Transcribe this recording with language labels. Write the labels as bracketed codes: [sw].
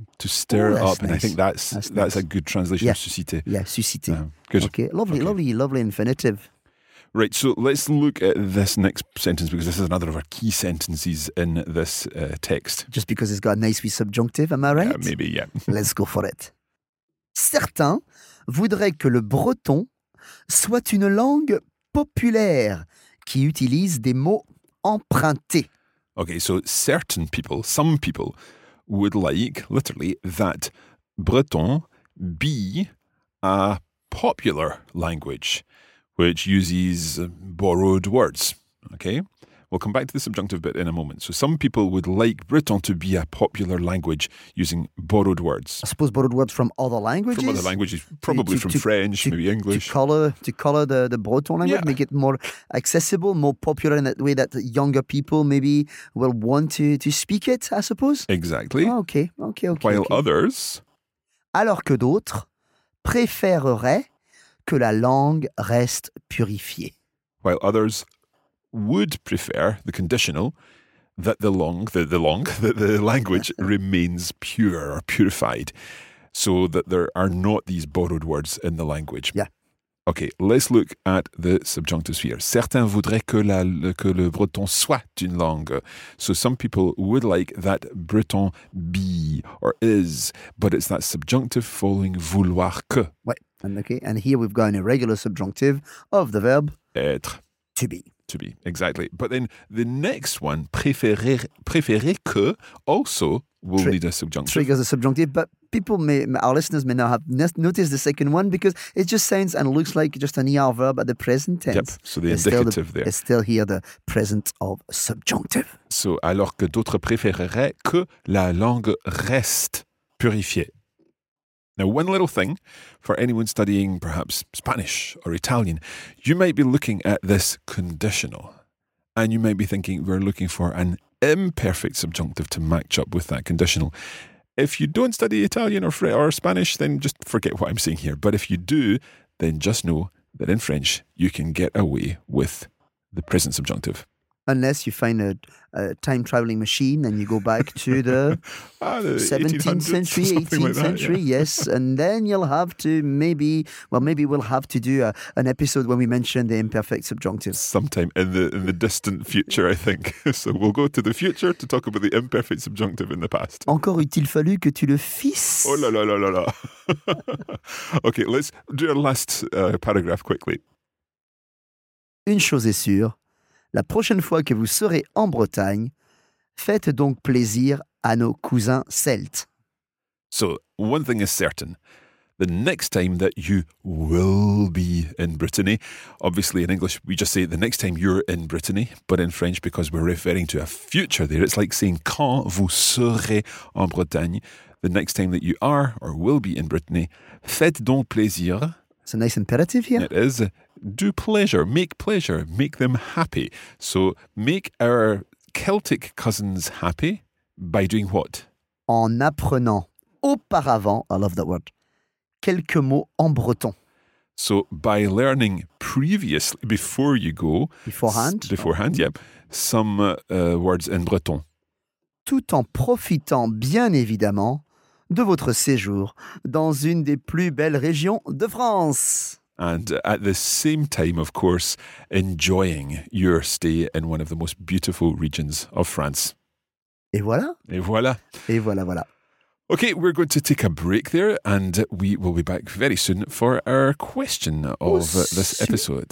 [en] That's up. Nice. And I think that's nice. A good translation of susciter. Yeah, susciter. Good. Okay, lovely infinitive. Right, so let's look at this next sentence because this is another of our key sentences in this text. Just because it's got a nice wee subjunctive, am I right? Yeah, maybe, yeah. Let's go for it. [fr] Certains voudraient que le breton soit une langue populaire qui utilise des mots empruntés. [en] Okay, so certain people, some people, would like, literally, that breton be a popular language. Which uses borrowed words, okay? We'll come back to the subjunctive bit in a moment. So some people would like Breton to be a popular language using borrowed words. I suppose borrowed words from other languages? From other languages, probably French, maybe English. To colour the Breton language, yeah. Make it more accessible, more popular in that way that younger people maybe will want to speak it, I suppose? Exactly. Oh, okay. While others... [fr] Alors que d'autres préférerait que la langue reste purifiée. [en] While others would prefer the conditional that the language remains pure or purified, so that there are not these borrowed words in the language. Yeah. Okay, let's look at the subjunctives here. [fr] Certains voudraient que le breton soit une langue. [en] So some people would like that breton be or is, but it's that subjunctive following vouloir que. [fr] Ouais. [en] And here we've got an irregular subjunctive of the verb [fr] être. [en] To be. To be, exactly. But then the next one, préférer que, also will need a subjunctive. Triggers a subjunctive, but our listeners may not have noticed the second one because it just sounds and looks like just an ER verb at the present tense. Yep, so the indicative there. It's still here, the present of subjunctive. So, alors que d'autres préféreraient que la langue reste purifiée. Now, one little thing for anyone studying perhaps Spanish or Italian, you might be looking at this conditional and you might be thinking we're looking for an imperfect subjunctive to match up with that conditional. If you don't study Italian or Spanish, then just forget what I'm saying here. But if you do, then just know that in French, you can get away with the present subjunctive. Unless you find a time-traveling machine and you go back to the 17th century, 18th century, yeah. Yes. And then you'll have to maybe we'll have to do an episode when we mention the imperfect subjunctive. Sometime in the distant future, I think. So we'll go to the future to talk about the imperfect subjunctive in the past. [fr] Encore eût-il fallu que tu le fisses? Oh là là là là là. [en] Okay, let's do our last paragraph quickly. [fr] Une chose est sûre. La prochaine fois que vous serez en Bretagne, faites donc plaisir à nos cousins celtes. [en] So, one thing is certain. The next time that you will be in Brittany, obviously in English we just say the next time you're in Brittany, but in French because we're referring to a future there, it's like saying [fr] quand vous serez en Bretagne, [en] the next time that you are or will be in Brittany, [fr] faites donc plaisir. [en] It's a nice imperative here. It is. Do pleasure, make them happy. So make our Celtic cousins happy by doing what? [fr] En apprenant auparavant, [en] I love that word, [fr] quelques mots en breton. [en] So by learning previously, before you go. Beforehand, yeah. Some words in breton. [fr] Tout en profitant bien évidemment de votre séjour dans une des plus belles régions de France. [en] And at the same time, of course, enjoying your stay in one of the most beautiful regions of France. [fr] Et voilà. Et voilà. Et voilà, voilà. [en] Okay, we're going to take a break there and we will be back very soon for our question of this episode.